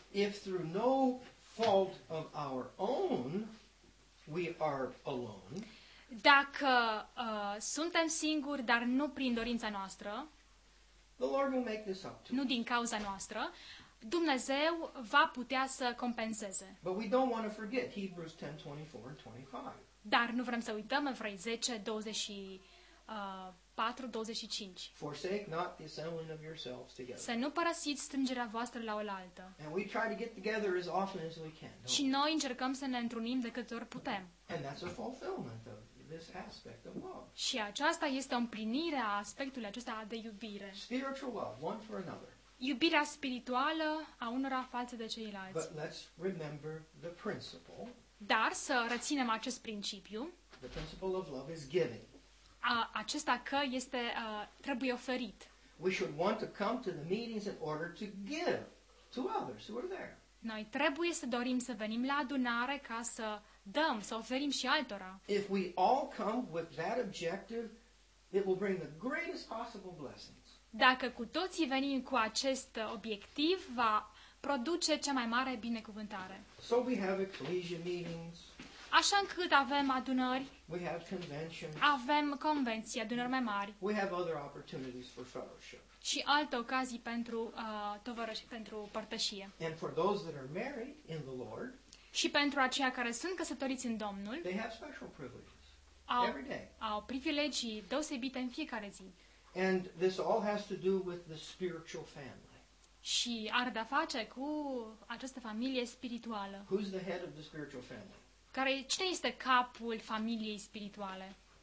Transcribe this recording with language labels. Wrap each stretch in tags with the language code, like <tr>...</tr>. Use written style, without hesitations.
<en>If through no fault of our own we are alone.</en> <ro>Dacă suntem singuri, dar nu prin dorința noastră,</ro> <en>the Lord will make this up to</en> <ro>nu din cauza noastră, Dumnezeu va putea să compenseze.</ro> <en>But we don't want to forget Hebrews 10, 24 and 25.</en> <ro>Dar nu vrem să uităm Evrei 10, 24, 25.</ro> <en>Forsake not the assembling of yourselves together.</en> <ro>Să nu părăsiți strângerea voastră la oaltă.</ro> <en>And we try to get together as often as we can.</en> <ro>Și noi încercăm să ne întrunim de câte ori putem.</ro> <en>And that's a fulfillment of this aspect of love.</en> <ro>Și aceasta este o împlinire a aspectului acesta de iubire.</ro> <en>Spiritual love, one for another.</en> <ro>Iubirea spirituală a unora față de ceilalți.</ro> <en>But let's remember the principle.</en> <ro>Dar să reținem acest principiu.</ro> <en>The principle of love is giving.</en> <ro>Acesta că este trebuie oferit.</ro> <en>We should want to come to the meetings in order to give to others who are there.</en> <ro>Noi trebuie să dorim să venim la adunare ca să dăm, să oferim și altora.</ro> <en>If we all come with that objective, it will bring the greatest possible blessings.</en> <ro>Dacă cu toții venim cu acest obiectiv, va produce cea mai mare binecuvântare.</ro> <en>So we have ecclesia meetings.</en> <ro>Așa încât avem adunări,</ro> <en>we have conventions,</en> <ro>avem convenții, adunări mai mari,</ro> <en>we have other opportunities for fellowship.</en> <ro>Și alte ocazii pentru tovarășie, pentru părtășie.</ro> <en>And for those that are married in the Lord,</en> <ro>și pentru aceia care sunt căsătoriți în Domnul,</ro> <en>they have special privileges every day.</en> <ro>Au privilegii deosebite în fiecare zi.</ro> <en>And this all has to do with the spiritual family.</en> <ro>Și are de-a face cu această familie spirituală.</ro> <en>Who's the head of the spiritual family?</en> <ro>Care, cine este capul familiei spirituale?</ro>